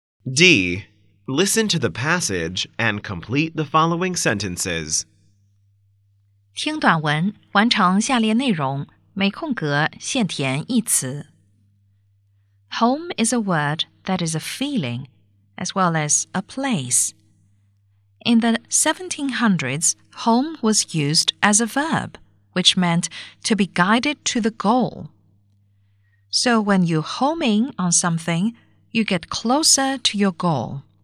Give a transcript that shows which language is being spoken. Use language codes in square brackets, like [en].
[en] D. Listen to the passage and complete the following sentences. [zh] 听短文，完成下列内容，每空格限填一词。 [en] Home is a word that is a feeling, as well as a place. In the 1700s, home was used as a verb, which meant to be guided to the goal. So when you home in on something,you get closer to your goal.